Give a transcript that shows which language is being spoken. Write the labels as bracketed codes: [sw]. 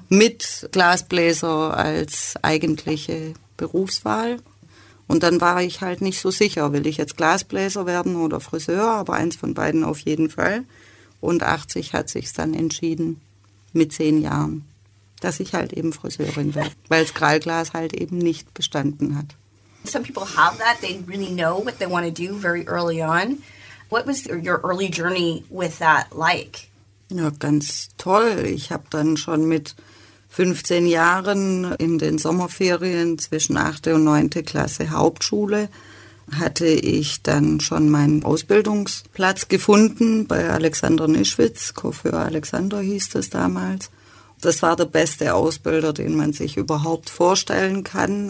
[de] Mit Glasbläser als eigentliche Berufswahl. Und dann war ich halt nicht so sicher, will ich jetzt Glasbläser werden oder Friseur, aber eins von beiden auf jeden Fall. Und 80 hat sich's dann entschieden, mit 10 Jahren, dass ich halt eben Friseurin werde, weil das Krallglas halt eben nicht bestanden hat. [en] Some people have that, they really know what they want to do very early on. What was your early journey with that like? [de] Ja, ganz toll. Ich habe dann schon mit 15 Jahren in den Sommerferien zwischen 8. und 9. Klasse Hauptschule hatte ich dann schon meinen Ausbildungsplatz gefunden bei Alexander Nischwitz. Coiffeur Alexander hieß das damals. Das war der beste Ausbilder, den man sich überhaupt vorstellen kann.